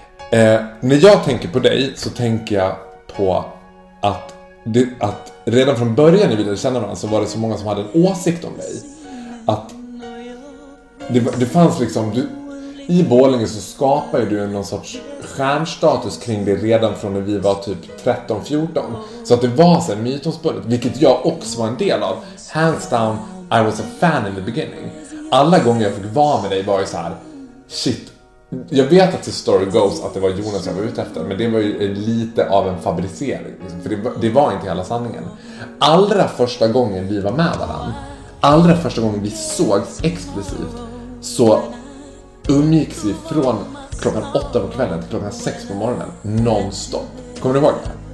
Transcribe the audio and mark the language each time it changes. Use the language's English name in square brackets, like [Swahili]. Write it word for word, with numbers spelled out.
[Swedish] Eh, när jag tänker på dig så tänker jag på att, det, att redan från början när vi ville känna varandra så var det så många som hade en åsikt om dig. Att det, det fanns liksom... Du, i Borlänge så skapade du någon sorts stjärnstatus kring det redan från när vi var typ tretton fjorton. Så att det var så en mytomspunnet, vilket jag också var en del av. [English] Hands down, I was a fan in the beginning. [Swedish] Alla gånger jag fick vara med dig var ju så här... Shit. Jag vet att [English] the story goes [Swedish] att det var Jonas jag var ute efter, men det var ju lite av en fabricering liksom, för det var, det var inte hela sanningen. Allra första gången vi var med varandra, allra första gången vi sågs explicit, så umgicks vi från klockan åtta på kvällen till klockan sex på morgonen nonstop. Kommer du ihåg det?